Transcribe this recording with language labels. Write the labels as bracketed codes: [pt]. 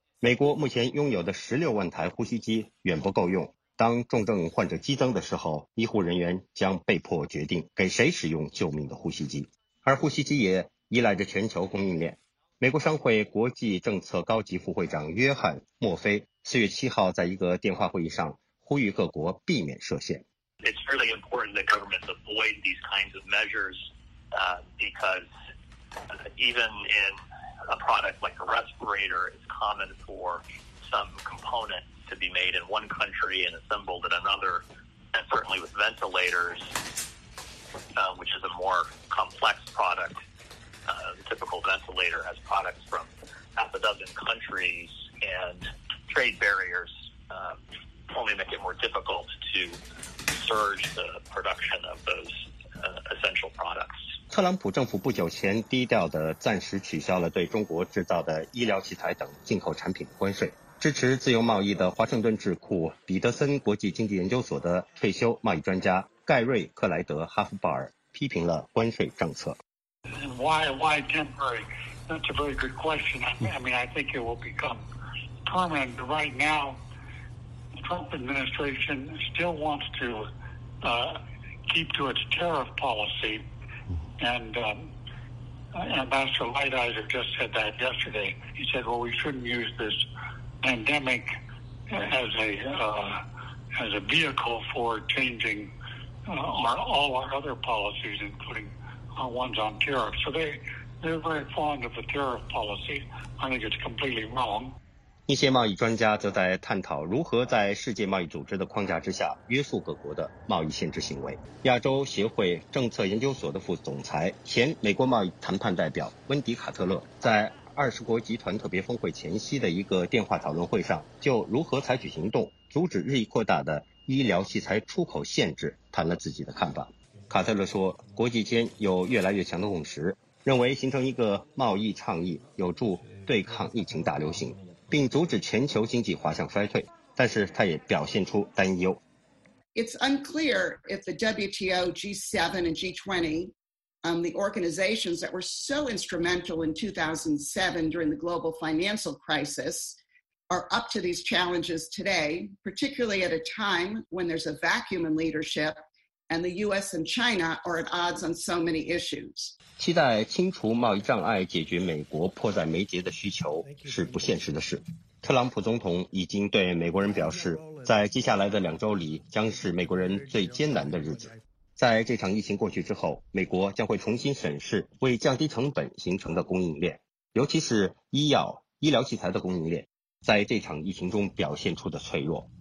[zh] 美国目前拥有的16万台呼吸机远不够用，当重症患者激增的时候，医护人员将被迫决定给谁使用救命的呼吸机。而呼吸机也依赖着全球供应链。美国商会国际政策高级副会长约翰·墨菲4月7号在一个电话会议上呼吁各国避免设限。 [en] It's really important that governments avoid these kinds of measures, because even in a product like a respirator, it's common for some component to be made in one country and assembled in another, and certainly with ventilators, which is a more complex product. The typical ventilator has products from half a dozen countries, and trade barriers only make it more difficult to surge the production of those essential products. [zh] 特朗普政府不久前低调地暂时取消了对中国制造的医疗器材等进口产品关税。支持自由贸易的华盛顿智库彼得森国际经济研究所的退休贸易专家盖瑞·克莱德·哈夫鲍尔批评了关税政策。 [en] Why temporary? That's a very good question. I think it will become permanent. Right now, the Trump administration still wants to keep to its tariff policy. And Ambassador Lighthizer just said that yesterday. He said, well, we shouldn't use this pandemic as a vehicle for changing all our other policies, including our ones on tariff. So they're very fond of the tariff policy. I think it's completely wrong. [zh] 一些贸易专家则在探讨如何在世界贸易组织的框架之下约束各国的贸易限制行为。亚洲协会政策研究所的副总裁、前美国贸易谈判代表温迪·卡特勒在二十国集团特别峰会前夕的一个电话讨论会上，就如何采取行动阻止日益扩大的医疗器材出口限制谈了自己的看法。卡特勒说，国际间有越来越强的共识，认为形成一个贸易倡议有助对抗疫情大流行，并阻止全球经济滑向衰退，但是他也表现出担忧。 [en] It's unclear if the WTO, G7 and G20, the organizations that were so instrumental in 2007 during the global financial crisis, are up to these challenges today, particularly at a time when there's a vacuum in leadership and the US and China are at odds on so many issues. [zh] 期待清除贸易障碍解决美国迫在眉睫的需求是不现实的事。特朗普总统已经对美国人表示，在接下来的两周里将是美国人最艰难的日子。在这场疫情过去之后，美国将会重新审视为降低成本形成的供应链，尤其是医药、医疗器材的供应链，在这场疫情中表现出的脆弱。